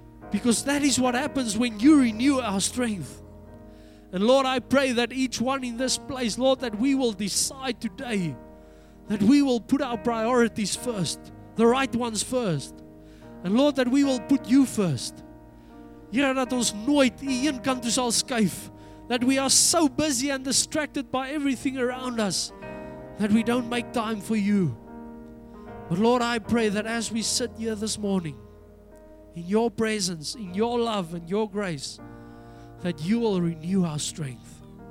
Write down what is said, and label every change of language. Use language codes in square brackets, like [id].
[en] Because that is what happens when you renew our strength. And Lord, I pray that each one in this place, Lord, that we will decide today that we will put our priorities first, the right ones first. And Lord, that we will put you first. [af] Here, dat ons nooit een kant toe sal skuif. [en] That we are so busy and distracted by everything around us that we don't make time for you. But Lord, I pray that as we sit here this morning, in your presence, in your love and your grace, that you will renew our strength.